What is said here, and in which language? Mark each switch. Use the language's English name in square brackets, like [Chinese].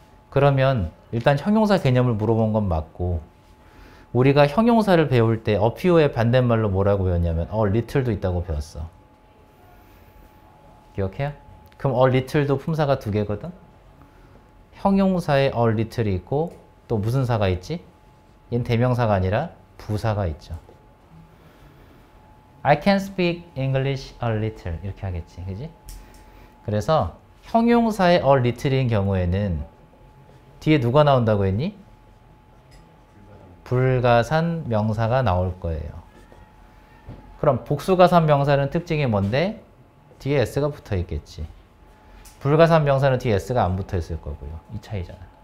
[Korean] 그러면 일단 형용사 개념을 물어본 건 맞고, 우리가 형용사를 배울 때 어퓨어의 반대말로 뭐라고 배웠냐면 a little도 있다고 배웠어. 기억해요? 그럼 a little도 품사가 두 개거든? 형용사에 a little이 있고 또 무슨 사가 있지? 얘는 대명사가 아니라 부사가 있죠. [English] I can speak English a little. [Korean] 이렇게 하겠지. 그지? 그래서 형용사의 a little인 경우에는 뒤에 누가 나온다고 했니? 불가산 명사가 나올 거예요. 그럼 복수가산 명사는 특징이 뭔데? 뒤에 s가 붙어 있겠지. 불가산 명사는 뒤에 s가 안 붙어 있을 거고요. 이 차이잖아.